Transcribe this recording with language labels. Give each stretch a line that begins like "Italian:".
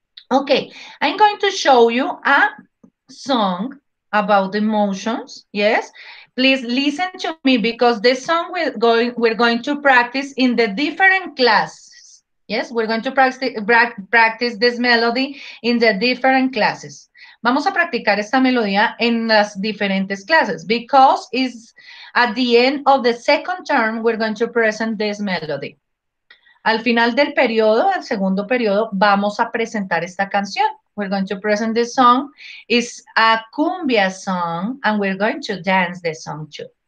English: Okay, I'm going to show you a song about emotions. Yes? Please listen to me because this song we're going to practice in the different classes. Yes? We're going to practice this melody in the different classes.
Spanish: Vamos a practicar esta melodía en las diferentes clases.
English: Because it's at the end of the second term, we're going to present this melody.
Spanish: Al final del periodo, al segundo periodo, vamos a presentar esta canción.
English: We're going to present this song. It's a cumbia song, and we're going to dance the song too.